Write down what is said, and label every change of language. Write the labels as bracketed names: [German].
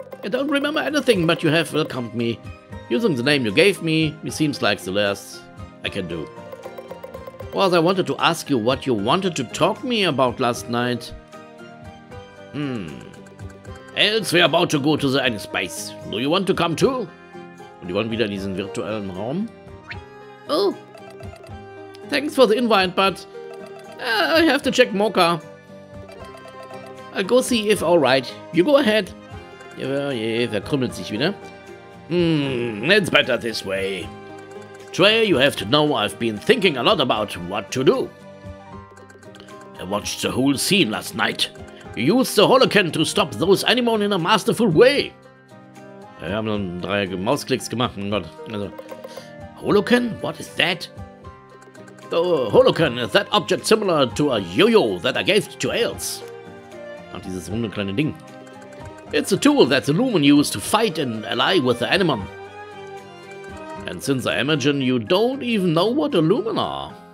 [English] I don't remember anything, but you have welcomed me. Using the name you gave me, it seems like the last I can do. Well, I wanted to ask you what you wanted to talk me about last night. Else we're about to go to the end space. Do you want to come too? [German] Und die wollen wieder in diesen virtuellen Raum. Oh. [English] Thanks for the invite, but I have to check Mocha. I'll go see if alright. You go ahead. [German] Ja, krümmelt sich wieder. [English] It's better this way. Trey, you have to know I've been thinking a lot about what to do. I watched the whole scene last night. You used the Holocan to stop those animals in a masterful way. [German] Wir haben dann drei Mausklicks gemacht, mein Gott. Also. [English] Holocan? What is that? The Holocan is that object similar to a yo-yo that I gave to Ailes. [German] Ach, dieses runde kleine Ding. [English] It's a tool that the Lumen used to fight and ally with the Animon. And since I imagine you don't even know what a Lumen are.